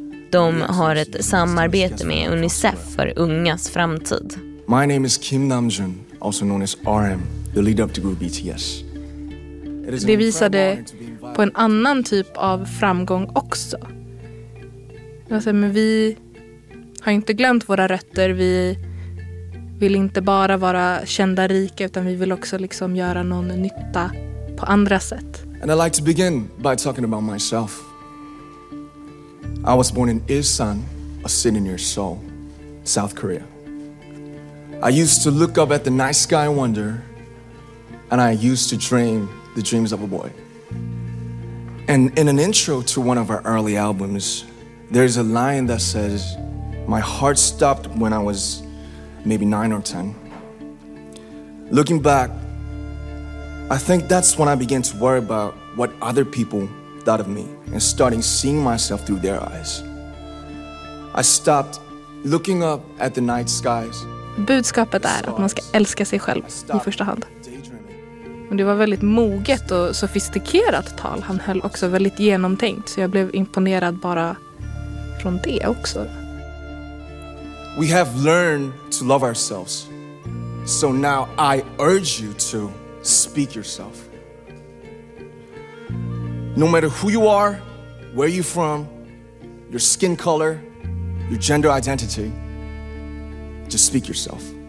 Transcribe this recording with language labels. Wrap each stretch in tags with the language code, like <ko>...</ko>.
<sv>De har ett samarbete med UNICEF för ungas framtid.</sv> <en>My name is Kim Namjoon, also known as RM, the leader of the group BTS.</en> <sv>Det visade på en annan typ av framgång också. Men vi har inte glömt våra rötter, vi vill inte bara vara kända rika, utan vi vill också liksom göra någon nytta på andra sätt.</sv> <en>And I'd like to begin by talking about myself. I was born in Ilsan, a city near Seoul, South Korea. I used to look up at the night sky wonder, and I used to dream the dreams of a boy. And in an intro to one of our early albums, there's a line that says, my heart stopped when I was maybe 9 or 10. Looking back, I think that's when I began to worry about what other people thought of me and starting seeing myself through their eyes. I stopped looking up at the night skies.</en> <sv>Budskapet är att man ska älska sig själv i första hand. Men det var väldigt moget och sofistikerat tal. Han höll också väldigt genomtänkt, så jag blev imponerad bara från det också.</sv> <en>We have learned to love ourselves. So now I urge you to speak yourself. No matter who you are, where you're from, your skin color, your gender identity, just speak yourself.</en>